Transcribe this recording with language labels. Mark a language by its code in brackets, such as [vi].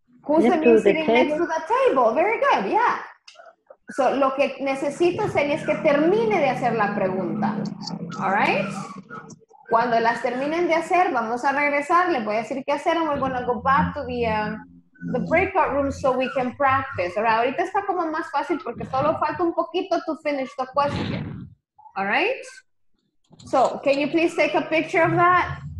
[en] Who's the man sitting next to the table? Very good, yeah. [es] So, lo que necesito, Senia, es que termine de hacer la pregunta. [en] All right? [es] Cuando las terminen de hacer, vamos a regresar. Les voy a decir qué hacer. [en] And we're going to go back to the breakout room so we can practice. All right? [es] Ahorita está como más fácil porque solo falta un poquito [en] to finish the question. All right? So, can you please take a picture of that?